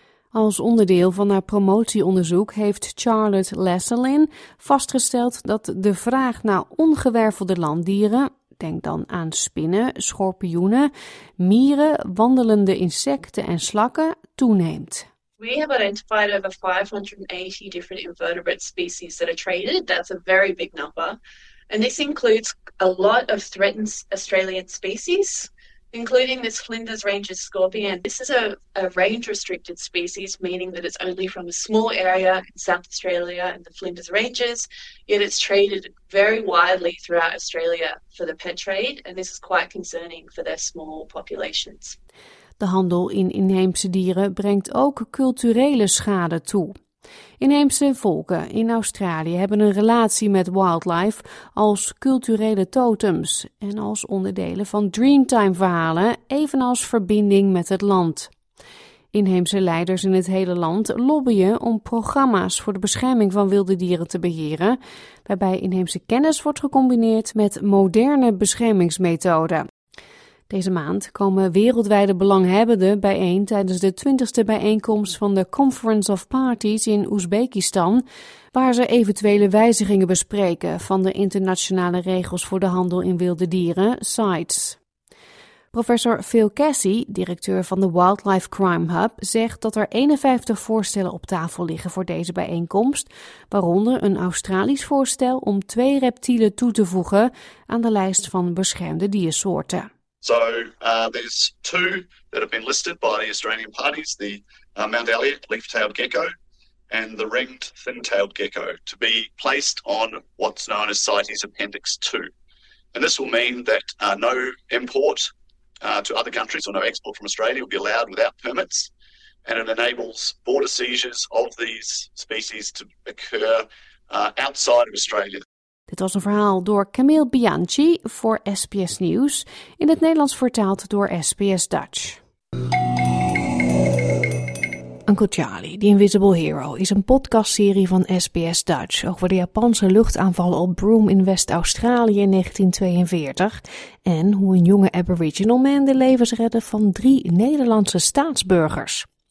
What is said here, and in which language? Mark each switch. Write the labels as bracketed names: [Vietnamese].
[Dutch] Als onderdeel van haar promotieonderzoek heeft Charlotte Lesselin vastgesteld dat de vraag naar ongewervelde landdieren, denk dan aan spinnen, schorpioenen, mieren, wandelende insecten en slakken, toeneemt. [English] We have identified over 580 different invertebrate species that are traded. That's a very big number. And this includes a lot of threatened Australian species, including this Flinders Ranges scorpion. This is a range-restricted species, meaning that it's only from a small area in South Australia and the Flinders Ranges, yet it's traded very widely throughout Australia for the pet trade, and this is quite concerning for their small populations. [Dutch] De handel in inheemse dieren brengt ook culturele schade toe. Inheemse volken in Australië hebben een relatie met wildlife als culturele totems en als onderdelen van Dreamtime-verhalen, evenals verbinding met het land. Inheemse leiders in het hele land lobbyen om programma's voor de bescherming van wilde dieren te beheren, waarbij inheemse kennis wordt gecombineerd met moderne beschermingsmethoden. Deze maand komen wereldwijde belanghebbenden bijeen tijdens de 20e bijeenkomst van de Conference of Parties in Oezbekistan, waar ze eventuele wijzigingen bespreken van de internationale regels voor de handel in wilde dieren, CITES. Professor Phil Cassie, directeur van de Wildlife Crime Hub, zegt dat er 51 voorstellen op tafel liggen voor deze bijeenkomst, waaronder een Australisch voorstel om twee reptielen toe te voegen aan de lijst van beschermde diersoorten. [English] So there's two that have been listed by the Australian parties, the Mount Elliot leaf-tailed gecko and the ringed thin-tailed gecko, to be placed on what's known as CITES Appendix 2. And this will mean that no import to other countries or no export from Australia will be allowed without permits, and it enables border seizures of these species to occur outside of Australia. [Dutch] Dit was een verhaal door Camille Bianchi voor SBS Nieuws, in het Nederlands vertaald door SBS Dutch. Uncle Charlie, The Invisible Hero, is een podcastserie van SBS Dutch over de Japanse luchtaanvallen op Broome in West-Australië in 1942 en hoe een jonge Aboriginal man de levens redde van drie Nederlandse staatsburgers.